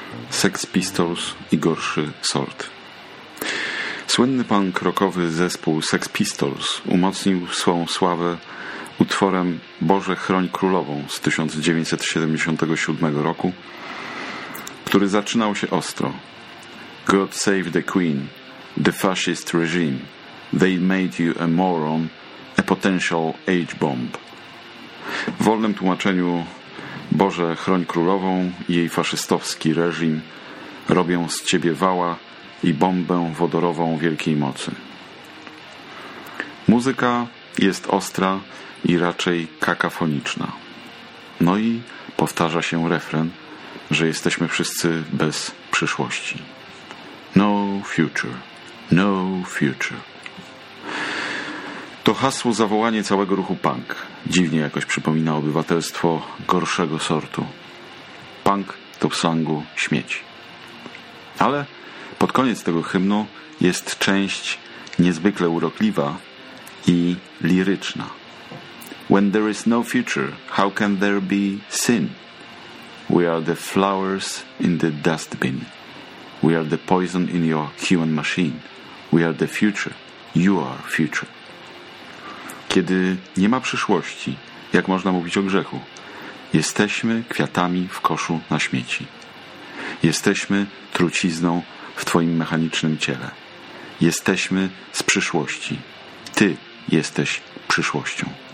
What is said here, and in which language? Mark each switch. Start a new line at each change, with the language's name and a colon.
Polish: Sex Pistols i gorszy sort. Słynny punk rockowy zespół Sex Pistols umocnił swą sławę utworem Boże chroń królową z 1977 roku, który zaczynał się ostro.
English: God save the Queen, the fascist regime, they made you a moron, a potential age bomb.
Polish: W wolnym tłumaczeniu Boże chroń królową i jej faszystowski reżim robią z ciebie wała i bombę wodorową wielkiej mocy. Muzyka jest ostra i raczej kakafoniczna. No i powtarza się refren, że jesteśmy wszyscy bez przyszłości.
English: No future, no future.
Polish: To hasło zawołanie całego ruchu punk. Dziwnie jakoś przypomina obywatelstwo gorszego sortu. Punk to w slangu śmieci. Ale pod koniec tego hymnu jest część niezwykle urokliwa i liryczna.
English: When there is no future, how can there be sin? We are the flowers in the dustbin. We are the poison in your human machine. We are the future. You are future.
Polish: Kiedy nie ma przyszłości, jak można mówić o grzechu? Jesteśmy kwiatami w koszu na śmieci. Jesteśmy trucizną w twoim mechanicznym ciele. Jesteśmy z przyszłości. Ty jesteś przyszłością.